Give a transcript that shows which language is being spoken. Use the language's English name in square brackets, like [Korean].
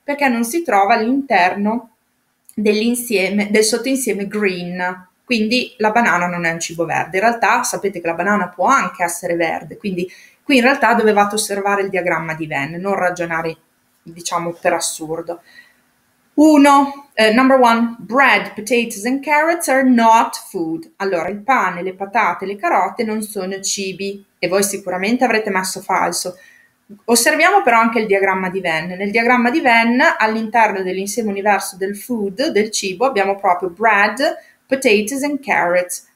[Italian] Perché non si trova all'interno dell'insieme, del sottoinsieme green, quindi la banana non è un cibo verde. In realtà sapete che la banana può anche essere verde, quindi qui in realtà dovevate osservare il diagramma di Venn, non ragionare, diciamo, per assurdo. [English] Number one, bread, potatoes and carrots are not food. [Italian] Allora, il pane, le patate, le carote non sono cibi, e voi sicuramente avrete messo falso. Osserviamo però anche il diagramma di Venn. Nel diagramma di Venn, all'interno dell'insieme universo del food, del cibo, abbiamo proprio [English] bread, potatoes and carrots.